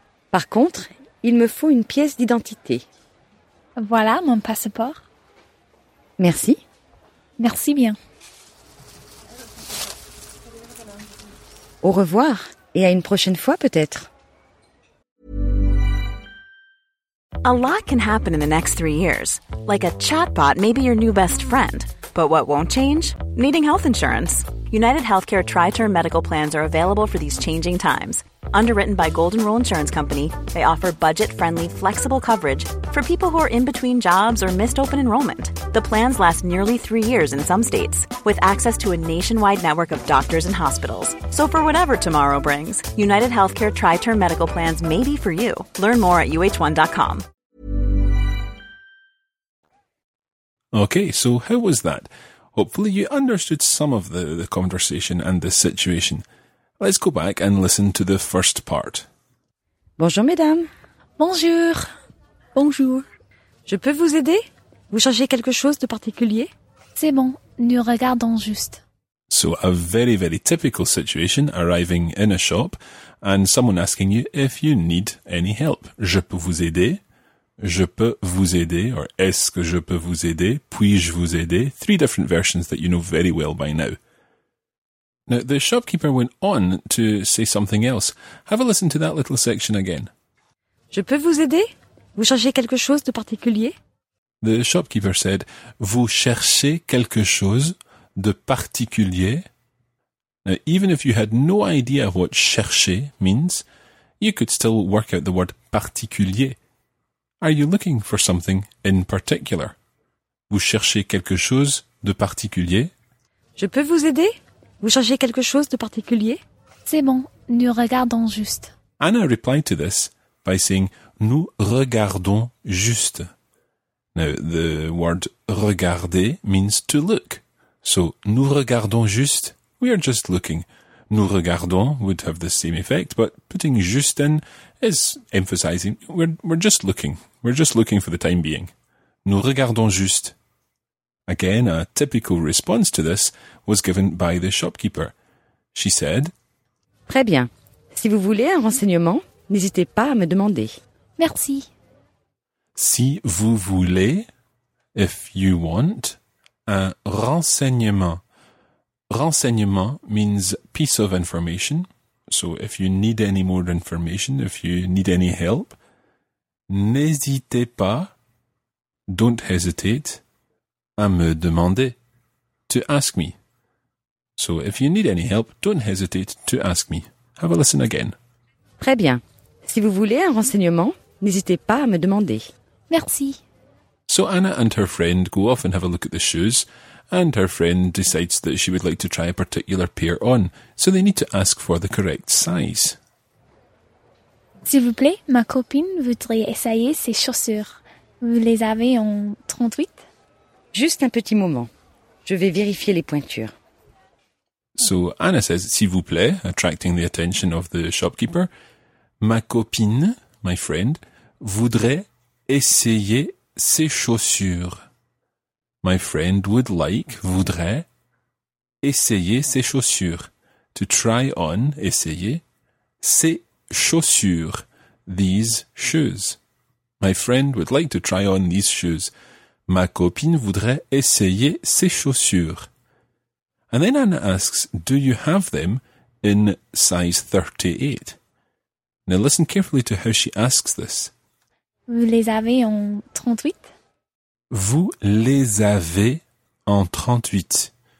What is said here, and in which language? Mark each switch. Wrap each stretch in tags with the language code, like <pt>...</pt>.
<fr>Par contre, il me faut une pièce d'identité. Voilà mon passeport. Merci. Merci bien. Au revoir et à une prochaine fois peut-être.</fr> <en>A lot can happen in the next 3 years. Like a chatbot may be your new best friend. But what won't change? Needing health insurance. UnitedHealthcare Tri-Term Medical Plans are available for these changing times. Underwritten by Golden Rule Insurance Company, they offer budget-friendly, flexible coverage for people who are in between jobs or missed open enrollment. The plans last nearly 3 years in some states, with access to a nationwide network of doctors and hospitals. So for whatever tomorrow brings, UnitedHealthcare Tri-Term Medical Plans may be for you. Learn more at uh1.com. Okay, so how was that? Hopefully you understood some of the conversation and the situation. Let's go back and listen to the first part.</en> <fr>Bonjour, mesdames. Bonjour. Bonjour. Je peux vous aider? Vous cherchez quelque chose de particulier? C'est bon, nous regardons juste.</fr> <en>So a very, very typical situation, arriving in a shop and someone asking you if you need any help.</en> <fr>Je peux vous aider? Je peux vous aider, or est-ce que je peux vous aider, puis-je vous aider,</fr> <en>three different versions that you know very well by now. Now, the shopkeeper went on to say something else. Have a listen to that little section again.</en> <fr>Je peux vous aider? Vous cherchez quelque chose de particulier?</fr> <en>The shopkeeper said,</en> <fr>vous cherchez quelque chose de particulier?</fr> <en>Now, even if you had no idea what chercher means, you could still work out the word particulier. Are you looking for something in particular?</en> <fr>Vous cherchez quelque chose de particulier? Je peux vous aider? Vous cherchez quelque chose de particulier? C'est bon, nous regardons juste.</fr> <en>Anna replied to this by saying,</en> <fr>nous regardons juste.</fr> <en>Now, the word regarder means to look. So,</en> <fr>nous regardons juste,</fr> <en>we are just looking.</en> <fr>Nous regardons</fr> <en>would have the same effect, but putting juste in is emphasizing we're just looking. We're just looking for the time being.</en> <fr>Nous regardons juste.</fr> <en>Again, a typical response to this was given by the shopkeeper. She said,</en> <fr>très bien. Si vous voulez un renseignement, n'hésitez pas à me demander. Merci. Si vous voulez,</fr> <en>if you want,</en> <fr>un renseignement.</fr> <en>Renseignement means piece of information. So if you need any more information, if you need any help,</en> <fr>n'hésitez pas,</fr> <en>don't hesitate,</en> <fr>à me demander,</fr> <en>to ask me. So if you need any help, don't hesitate to ask me. Have a listen again.</en> <fr>Très bien. Si vous voulez un renseignement, n'hésitez pas à me demander. Merci.</fr> <en>So Anna and her friend go off and have a look at the shoes, and her friend decides that she would like to try a particular pair on, so they need to ask for the correct size.</en> <fr>S'il vous plaît, ma copine voudrait essayer ses chaussures. Vous les avez en 38? Juste un petit moment. Je vais vérifier les pointures.</fr> <en>So Anna says,</en> <fr>s'il vous plaît,</fr> <en>attracting the attention of the shopkeeper.</en> <fr>Ma copine,</fr> <en>my friend,</en> <fr>voudrait essayer ses chaussures.</fr> <en>My friend would like, voudrait,</en> <fr>essayer ses chaussures.</fr> <en>To try on, essayer,</en> <fr>ses chaussures,</fr> <en>these shoes. My friend would like to try on these shoes.</en> <fr>Ma copine voudrait essayer ses chaussures.</fr> <en>And then Anna asks, do you have them in size 38? Now listen carefully to how she asks this.</en> <fr>Vous les avez en 38? Vous les avez en 38.</fr>